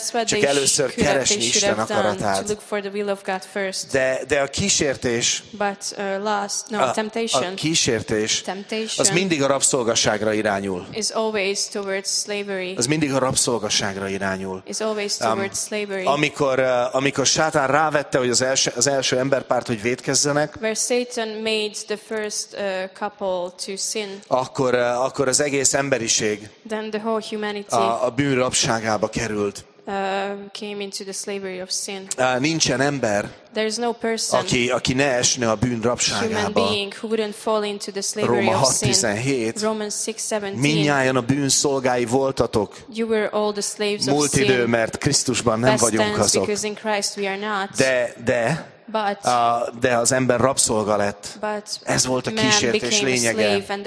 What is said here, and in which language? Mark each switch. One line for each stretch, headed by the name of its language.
Hungarian: Csak először keresni Isten akaratát. De a kísértés, a kísértés, az mindig a rabszolgaságra irányul.
English: Is always towards slavery.
Hungarian: Az mindig a rabszolgaságra irányul.
English: Is always towards slavery.
Hungarian: Amikor Sátán rávette, hogy az első emberpárt, hogy vétkezzenek,
English: where Satan made the first couple to sin,
Hungarian: akkor az egész emberiség
English: then the whole humanity
Hungarian: a bűn rabságába került.
English: Came into the slavery of sin.
Hungarian: Nincsen ember,
English: there's no person,
Hungarian: aki ne esne a bűn rabságába.
English: Human being who wouldn't fall into the slavery of sin. Romans 6:17.
Hungarian: Minnyájan a bűn szolgái voltatok.
English: You were all the slaves of sin.
Hungarian: Múlt idő, mert Krisztusban nem vagyunk azok.
English: Because in Christ we are not.
Hungarian: De az ember rabszolga lett. Ez volt a kísértés lényege.